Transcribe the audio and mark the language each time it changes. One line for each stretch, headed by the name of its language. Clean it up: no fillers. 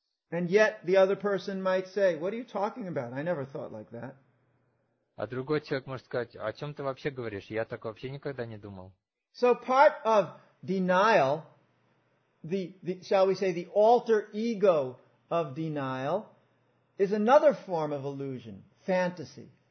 English: And yet the other person might say, "What are you talking about? I never thought like that."
Russian: А другой человек может сказать, о чем ты вообще говоришь? Я так вообще никогда не думал.
English: So part of denial, the shall we say, the alter ego of denial, is another form of illusion, fantasy.